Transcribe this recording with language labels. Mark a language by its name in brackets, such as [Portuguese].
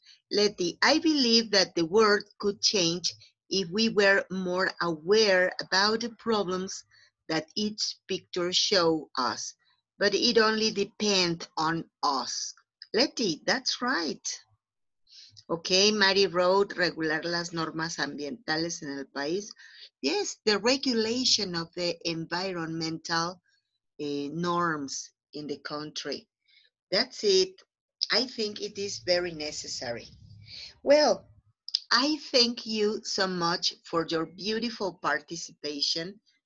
[English] Leti, I believe that the world could change if we were more aware about the problems that each picture show us, but it only depends on us. Leti, that's right. Okay, Mari wrote, [Spanish] regular las normas ambientales en el país. [English] Yes, the regulation of the environmental norms in the country. That's it. I think it is very necessary. Well, I thank you so much for your beautiful participation.